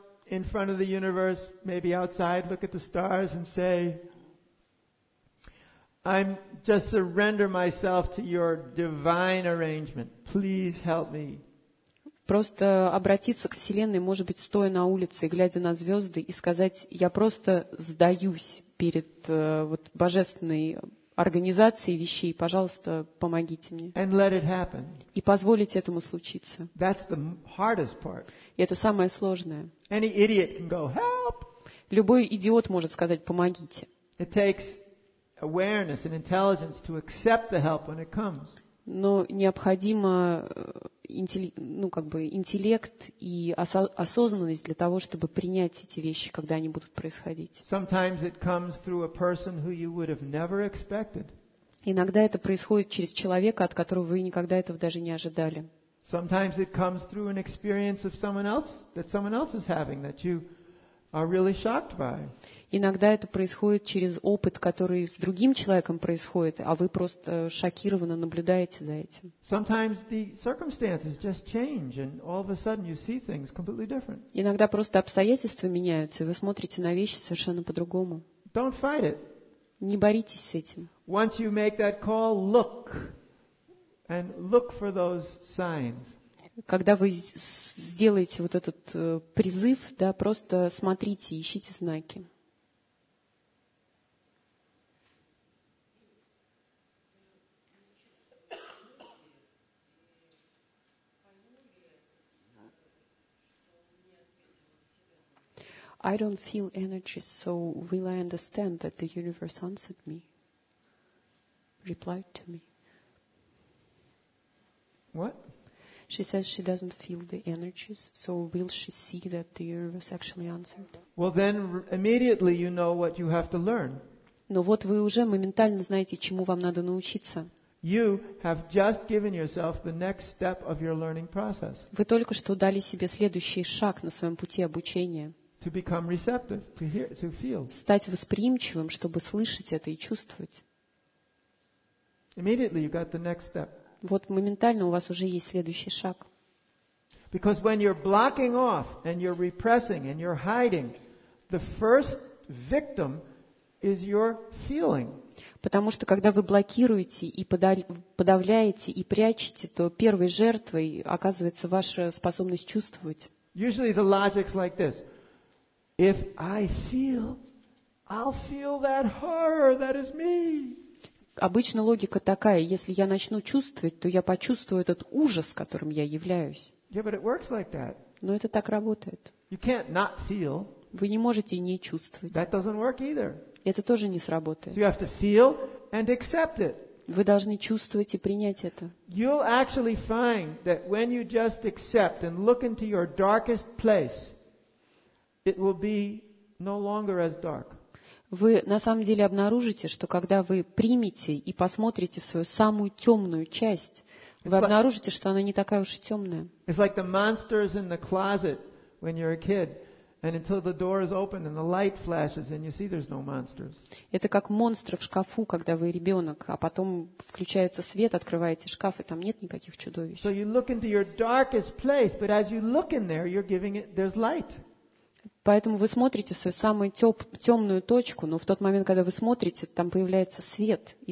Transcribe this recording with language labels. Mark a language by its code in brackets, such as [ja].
[en] I'm just surrender myself to your divine arrangement. Please help me. [ru] просто обратиться к Вселенной, может быть, стоя на улице, глядя на звезды, и сказать: я просто сдаюсь перед вот, божественной организацией вещей, пожалуйста, помогите мне. [en] And let it happen. [ru] И позволить этому случиться. [en] That's the hardest part. [ru] И это самое сложное. [en] Any idiot can go, help! [ru] Любой идиот может сказать: помогите. [en] It takes awareness and intelligence to accept the help when it comes. [ru] Но необходимо интеллект и осознанность для того, чтобы принять эти вещи, когда они будут происходить. [en] Sometimes it comes through a person who you would have never expected. [ru] Иногда это происходит через человека, от которого вы никогда этого даже не ожидали. [en] Sometimes it comes through an experience of someone else that someone else is having that you are really shocked by. [ru] Иногда это происходит через опыт, который с другим человеком происходит, а вы просто шокированно наблюдаете за этим. [en] Sometimes the circumstances just change and all of a sudden you see things completely different. [ru] Иногда просто обстоятельства меняются, и вы смотрите на вещи совершенно по-другому. [en] Don't fight it. [ru] Не боритесь с этим. [en] Once you make that call, look and look for those signs. [ru] Когда вы сделаете вот этот призыв, да, просто смотрите, ищите знаки. [en] I don't feel energy, so will I understand that the universe answered me? Replied to me. What? She says she doesn't feel the energies, so will she see that the universe actually answered? Well, then immediately you know what you have to learn. [ru] Но вот вы уже моментально знаете, чему вам надо научиться. [en] You have just given yourself the next step of your learning process. [ru] Вы только что дали себе следующий шаг на своем пути обучения. [en] To become receptive, to hear, to feel. [ru] Стать восприимчивым, чтобы слышать это и чувствовать. [en] Immediately you got the next step. [ru] Вот моментально у вас уже есть следующий шаг. [en] Because when you're blocking off and you're repressing and you're hiding, the first victim is your feeling. [ru] Потому что когда вы блокируете и подавляете и прячете, то первой жертвой оказывается ваша способность чувствовать. [en] Usually the logic's like this. If I feel, I'll feel that horror that is me. [ru] Обычно логика такая: если я начну чувствовать, то я почувствую этот ужас, которым я являюсь. [en] Yeah, but it works like that. [ru] Но это так работает. [en] You can't not feel. [ru] Вы не можете не чувствовать. [en] That doesn't work either. [ru] Это тоже не сработает. [en] So you have to feel and accept it. [ru] Вы должны чувствовать и принять это. [en] You'll actually find that when you just accept and look into your darkest place, it will be no longer as dark. [ru] Вы на самом деле обнаружите, что когда вы примете и посмотрите в свою самую темную часть, вы обнаружите, что она не такая уж и темная. [en] It's like the monsters in the closet when you're a kid, and until the door is open and the light flashes and you see there's no monsters. [ru] Это как монстры в шкафу, когда вы ребенок, а потом включается свет, открываете шкаф, и там нет никаких чудовищ. [en] So you look into your darkest place, but as you look in there, you're giving it there's light. [ru] Поэтому вы смотрите в свою самую темную точку, но в тот момент, когда вы смотрите, там появляется свет, и